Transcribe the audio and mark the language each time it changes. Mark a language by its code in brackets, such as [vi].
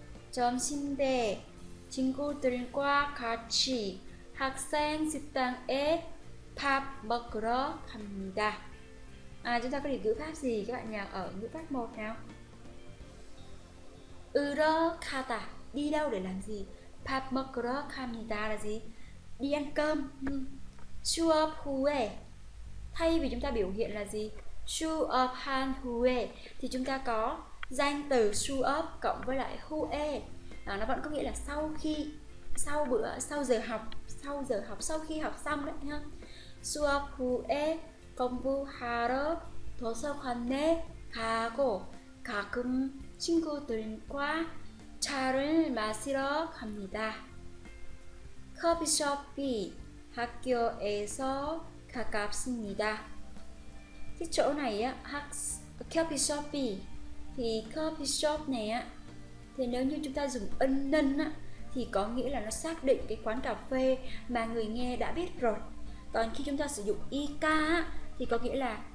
[ko] 점심때 친구들과 같이 학생 식당에 밥 먹으러 갑니다. [vi] Chúng ta có thể ngữ pháp gì các bạn nhỉ? Ở ngữ pháp 1 nào. 으러 가다, đi đâu để làm gì? [ko] 밥 먹으러 갑니다 [vi] là gì? Đi ăn cơm. [ko] 수업 후에, [vi] thay vì chúng ta biểu hiện là gì? [ko] 수업 한 후에 [vi] thì chúng ta có danh từ 수업 cộng với lại 후에. Nó vẫn có nghĩa là sau khi, sau bữa, sau giờ học, sau khi học xong đấy nhá. [ko] 수업 후에 공부하러 도서관에 가고 가끔 친구들과 차를 마시러 갑니다. 커피숍이 학교에서 가깝습니다. [vi] Cái chỗ này á, coffee shop thì coffee shop này á, thì nếu như chúng ta dùng nên á thì có nghĩa là nó xác định cái quán cà phê mà người nghe đã biết rồi. Còn khi chúng ta sử dụng ika á thì có nghĩa là